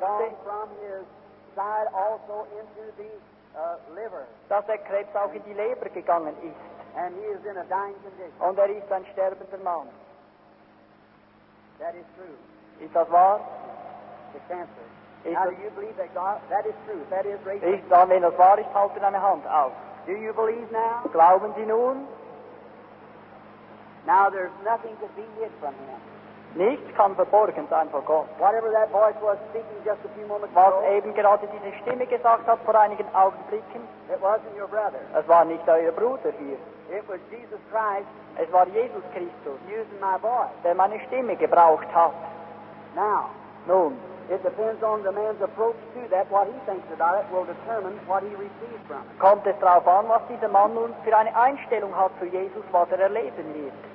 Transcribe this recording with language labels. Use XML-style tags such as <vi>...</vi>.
<en>has gone from his side also into the liver.</en> <de>Dass der Krebs auch in die Leber gegangen ist.</de> <en>And he is in a dying condition.</en> <de>Und ist ein sterbender Mann.</de> <en>That is true.</en> <de>Ist das wahr?</de> <en>The cancer. Now, do you believe that God, that is true, that is raised?</en> <de>Ich sage, wenn das wahr ist, halte deine Hand auf.</de> <en>Do you believe now?</en> <de>Glauben Sie nun?</de> <en>Now there's nothing to be hid from him.</en> <de>Nichts kann verborgen sein vor Gott.</de> <en>Whatever that voice was speaking just a few moments ago.</en> <de>Was eben gerade diese Stimme gesagt hat vor einigen Augenblicken.</de> <en>It wasn't your brother.</en> <de>Es war nicht euer Bruder hier.</de> <en>It was Jesus Christ.</en> <de>Es war Jesus Christus.</de> <en>Using my voice.</en> <de>Der meine Stimme gebraucht hat.</de> <en>Now.</en> <de>Nun.</de> <en>It depends on the man's approach to that. What he thinks about it will determine what he receives from it.</en> <de>Kommt es darauf an, was dieser Mann nun für eine Einstellung hat zu Jesus, was erleben wird.</de>